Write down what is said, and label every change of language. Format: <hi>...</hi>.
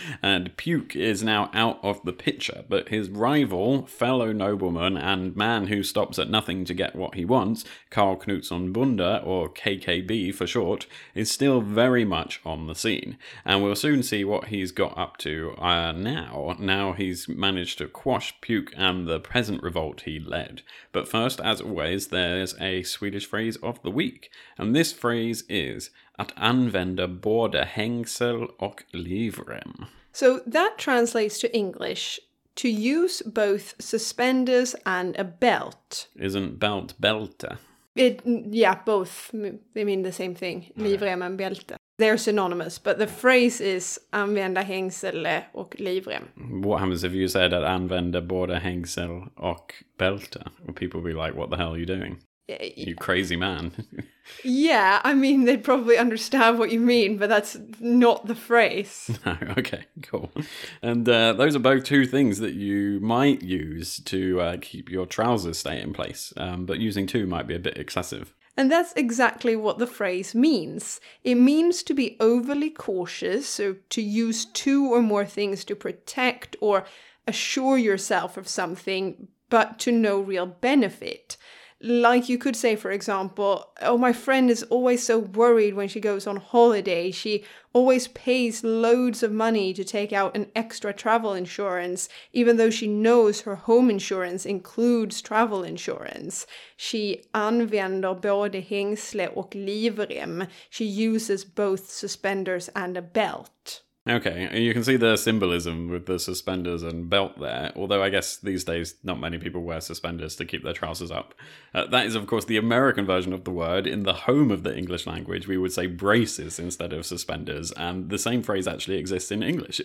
<en>And Puke is now out of the picture, but his rival, fellow nobleman, and man who stops at nothing to get what he wants, Karl Knutsson Bonde, or KKB for short, is still very much on the scene. And we'll soon see what he's got up to now. Now he's managed to quash Puke and the peasant revolt he led. But first, as always, there's a Swedish phrase of the week. And this phrase is</en> <sv>att använda både hängsel och livrem.</sv> <en>So that translates to English, to use both suspenders and a belt. Isn't belt bälte? Yeah, both. They mean the same thing. Livrem and bälte. They're synonymous, but the phrase is</en> <sv>använda hängsel och livrem.</sv> <en>What happens if you said</en> <sv>att använda både hängsel och bälte?</sv> <en>Well, people will be like, what the hell are you doing? You crazy man. Yeah, I mean, they'd probably understand what you mean, but that's not the phrase. No, okay, cool. And those are both two things that you might use to keep your trousers stay in place, but using two might be a bit excessive. And that's exactly what the phrase means. It means to be overly cautious, so to use two or more things to protect or assure yourself of something, but to no real benefit. Like you could say, for example, oh, my friend is always so worried when she goes on holiday. She always pays loads of money to take out an extra travel insurance, even though she knows her home insurance includes travel insurance. She</en> <sv>använder både hängsle och livrem.</sv> <en>She uses both suspenders and a belt. Okay, and you can see the symbolism with the suspenders and belt there, although I guess these days not many people wear suspenders to keep their trousers up. That is, of course, the American version of the word. In the home of the English language, we would say braces instead of suspenders, and the same phrase actually exists in English.</en>